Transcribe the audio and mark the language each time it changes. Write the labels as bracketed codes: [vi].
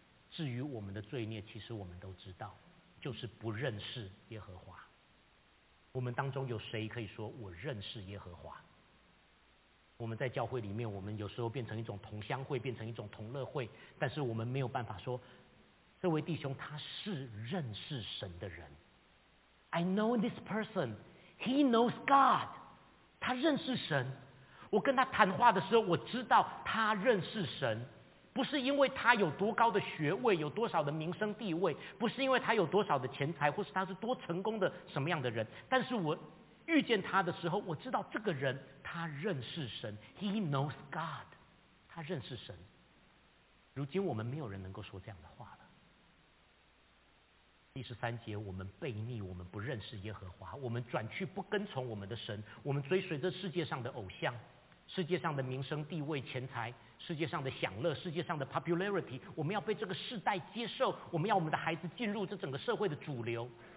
[zh] 至于我们的罪孽，其实我们都知道，就是不认识耶和华。我们当中有谁可以说我认识耶和华？我们在教会里面，我们有时候变成一种同乡会，变成一种同乐会，但是我们没有办法说这位弟兄他是认识神的人。 [en] I know this person, he knows God， [zh] 他认识神。我跟他谈话的时候，我知道他认识神，不是因为他有多高的学位，有多少的名声地位，不是因为他有多少的钱财，或是他是多成功的什么样的人，但是我遇见他的时候，我知道这个人他认识神。 [en] He knows God， [zh] 他认识神。如今我们没有人能够说这样的话了。第十三节，我们悖逆，我们不认识耶和华，我们转去不跟从我们的神，我们追随着世界上的偶像，世界上的名声地位钱财，世界上的享乐，世界上的 popularity， 我们要被这个世代接受，我们要我们的孩子进入这整个社会的主流，